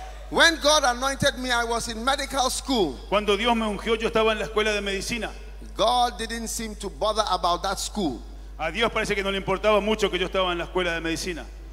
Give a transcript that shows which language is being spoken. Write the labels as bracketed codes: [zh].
[en] When God anointed me, I was in medical school. [es] Cuando Dios me ungió, yo estaba en la escuela de medicina. [en] God didn't seem to bother about that school. [es] A Dios parece que no le importaba mucho que yo estaba en la escuela de medicina.